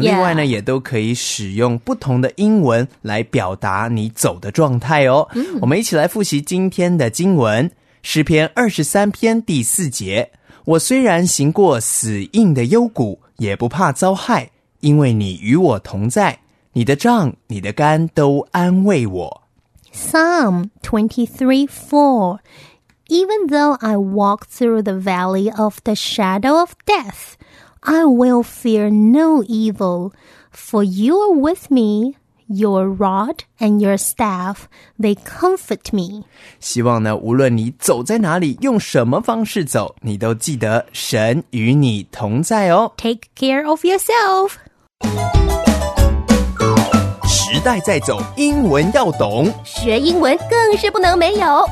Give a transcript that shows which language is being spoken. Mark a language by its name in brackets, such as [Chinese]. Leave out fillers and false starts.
[Chinese] 另外呢，也都可以使用不同的英文来表达你走的状态哦。嗯、我们一起来复习今天的经文，诗篇23篇第四节：我虽然行过死荫的幽谷，也不怕遭害，因为你与我同在，你的杖、你的竿都安慰我。 [English] Psalm 23:4 Even though I walk through the valley of the shadow of death, I will fear no evil. For you are with me, your rod and your staff, they comfort me. [Chinese] 希望呢，无论你走在哪里，用什么方式走，你都记得神与你同在哦。 [English] Take care of yourself. [Chinese] 时代在走，英文要懂，学英文更是不能没有